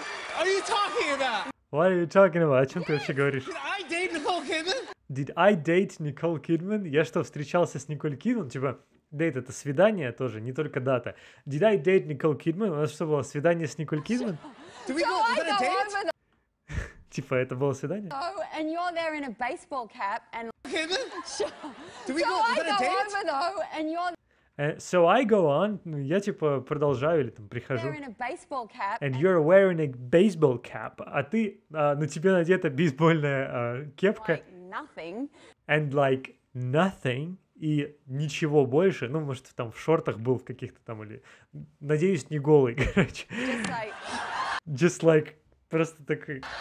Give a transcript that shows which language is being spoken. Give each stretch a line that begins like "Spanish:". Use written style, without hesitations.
English: What are you talking about? What are you talking about?
Russian: О чем
English: yes.
Russian: ты вообще говоришь?
English: Did I date Nicole Kidman? Did I date Nicole Kidman?
Russian: Я что, встречался с Николь Кидман? Типа, date — это свидание тоже, не только дата.
English: Did I date Nicole Kidman?
Russian: У нас что, было свидание с Николь Кидман?
English: Do we go, is that a date?
Russian: Типа, это было свидание?
English: So, and you're there in a baseball cap, and... Kidman? Do we go, is that a date? So I go over, though, and you're... So I go on,
Russian: ну, я типа продолжаю или там прихожу.
English: In a baseball cap, and you're wearing a baseball cap.
Russian: А ты, на тебе надета бейсбольная кепка.
English: Like nothing. And like nothing.
Russian: И ничего больше. Ну, может, там в шортах был в каких-то там или... Надеюсь, не голый, короче.
English: Just like...
Russian: Просто такой...